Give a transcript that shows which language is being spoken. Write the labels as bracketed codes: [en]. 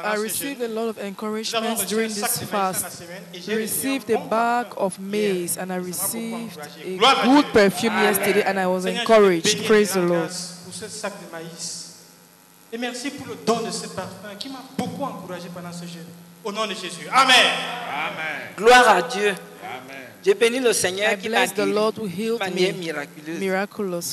[en] I received a lot of encouragement during this fast. I received a bag of maize and I received a good perfume yesterday and I was encouraged. Praise the Lord. [fr] Pour ce sac de maïs. Et merci pour le don de ce parfum qui m'a beaucoup encouragé pendant ce jeûne. Au nom de Jésus. Amen. Amen. Gloire à Dieu. Amen. J'ai béni le Seigneur [en] I bless the Lord who healed me miraculously.